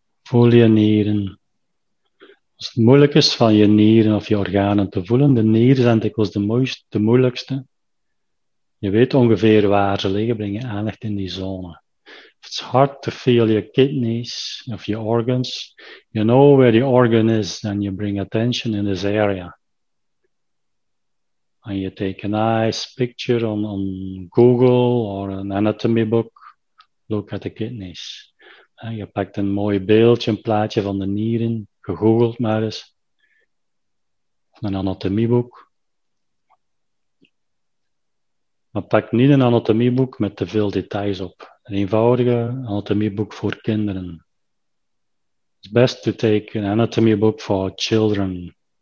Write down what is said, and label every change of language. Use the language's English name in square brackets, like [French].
[Dutch] Voel je nieren. Als het moeilijk is van je nieren of je organen te voelen, de nieren zijn dikwijls de moeilijkste. Je weet ongeveer waar ze liggen, breng je aandacht in die zone. [English] If it's hard to feel your kidneys of your organs, you know where the organ is, then you bring attention in this area. And you take a nice picture on Google or an anatomy book, look at the kidneys. [Dutch] En je pakt een mooi beeldje, een plaatje van de nieren, gegoogeld maar eens. Of een anatomieboek. Maar pak niet een anatomieboek met te veel details op. Een eenvoudige anatomieboek voor kinderen. [English] It's best to take an anatomieboek for children.